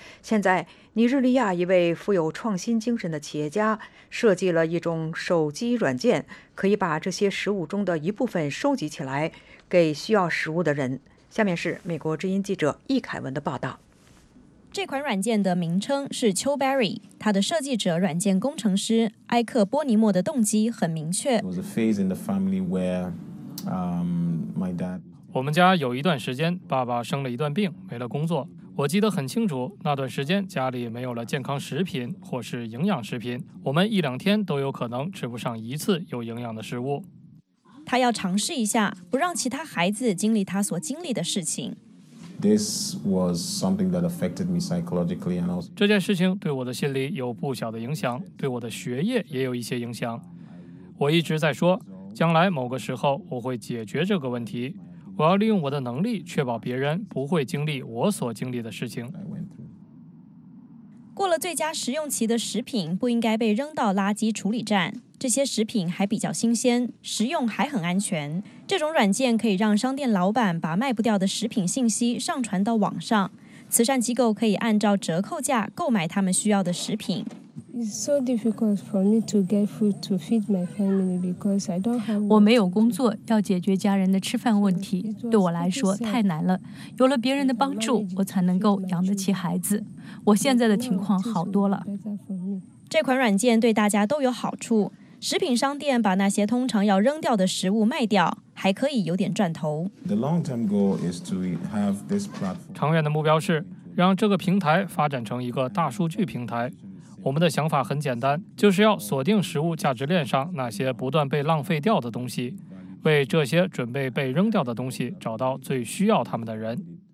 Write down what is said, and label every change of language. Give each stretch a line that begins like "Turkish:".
Chinese: 现在，尼日利亚一位富有创新精神的企业家设计了一种手机软件，可以把这些食物中的一部分收集起来，给需要食物的人。下面是美国之音记者易凯文的报道。这款软件的名称是 Chilberry， 它的设计者、软件工程师埃克波尼莫的动机很明确。
English: It was a phase in the family where, my dad.
Chinese: 我们家有一段时间，爸爸生了一段病，没了工作。我记得很清楚，那段时间家里没有了健康食品或是营养食品，我们一两天都有可能吃不上一次有营养的食物。他要尝试一下，不让其他孩子经历他所经历的事情。
English: This was something that affected me psychologically and also
Chinese: 这件事情对我的心理有不小的影响，对我的学业也有一些影响。我一直在说，将来某个时候我会解决这个问题。我要利用我的能力确保别人不会经历我所经历的事情。过了最佳食用期的食品不应该被扔到垃圾处理站，这些食品还比较新鲜，食用还很安全。这种软件可以让商店老板把卖不掉的食品信息上传到网上，慈善机构可以按照折扣价购买他们需要的食品。我没有工作，要解决家人的吃饭问题，对我来说太难了。有了别人的帮助，我才能够养得起孩子。我现在的情况好多了。这款软件对大家都有好处，食品商店把那些通常要扔掉的食物卖掉，还可以有点赚头。
English: The long-term goal is to have this platform.
Chinese: 长远的目标是让这个平台发展成一个大数据平台。我们的想法很简单，就是要锁定食物价值链上那些不断被浪费掉的东西，为这些准备被扔掉的东西找到最需要他们的人。